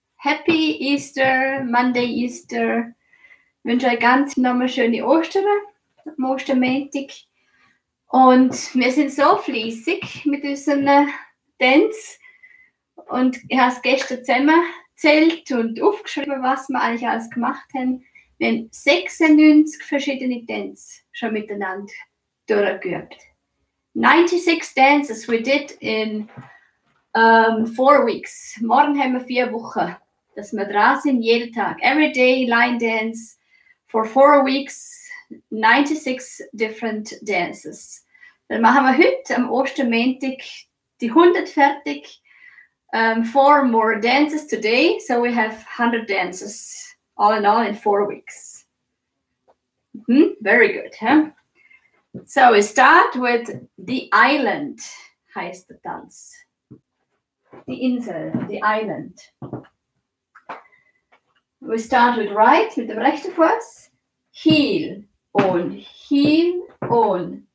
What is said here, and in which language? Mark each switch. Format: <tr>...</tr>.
<en>Happy Easter, Monday Easter.</en> <de>Ich wünsche euch ganz nochmal schöne Ostern, am Ostermäntig. Und wir sind so fleißig mit unseren Dance. Und ich habe es gestern zusammengezählt und aufgeschrieben, was wir eigentlich alles gemacht haben. Wir haben 96 verschiedene Dance schon miteinander durchgeübt.</de> <en>96 Dances we did in 4 weeks.</en> <de>Morgen haben wir 4 Wochen, dass wir dran sind, jeden Tag.</de> <en>Every day line dance for 4 weeks, 96 different dances.</en> <de>Dann machen wir heute am Ostermäntig die 100 fertig.</de> <en>4 more dances today, so we have 100 dances all in all in 4 weeks. Mm-hmm. Very good, huh? So we start with the island,</en> <de>heißt der Tanz.</de> <en>The Insel, the island. We start with right,</en> <de>mit dem rechten Fuß.</de> <en>Heel on, heel on.</en>